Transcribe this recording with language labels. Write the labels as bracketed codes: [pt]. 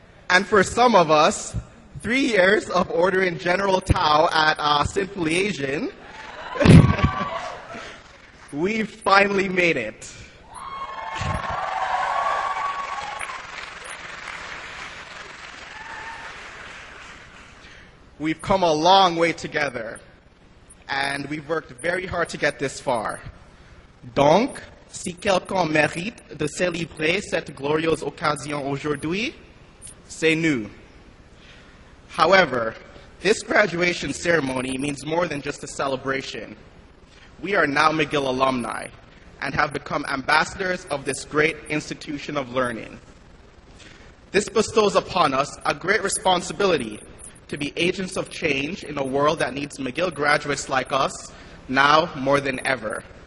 [en] and for some of us, 3 years of ordering General Tao at Sinful Asian, we've finally made it. We've come a long way together, and we've worked very hard to get this far. [fr] Donc, si quelqu'un mérite de célébrer cette glorieuse occasion aujourd'hui, c'est nous. [en] However, this graduation ceremony means more than just a celebration. We are now McGill alumni, and have become ambassadors of this great institution of learning. This bestows upon us a great responsibility to be agents of change in a world that needs McGill graduates like us now more than ever.